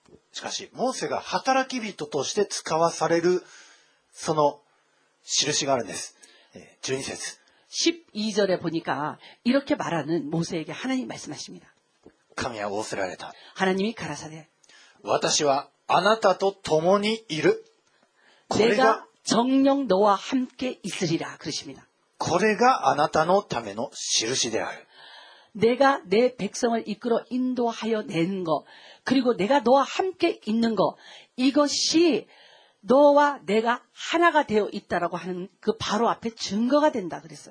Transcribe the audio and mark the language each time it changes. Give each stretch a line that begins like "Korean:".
Japanese: しかし모세가働き人として使わされるその印があるんです12節
Korean: 12절에보니까이렇게말하는모세에게하나님말씀하십니다
Japanese: 神は仰せられた
Korean: 하나님이가라사대
Japanese: 私はあなたと共にいる
Korean: 내가정녕너와함께있으리라그러십니다
Japanese: これがあなたのための印である
Korean: 내가내백성을이끌어인도하여낸것그리고내가너와함께있는것이것이너와내가하나가되어있다라고하는그바로앞에증거가된다그랬어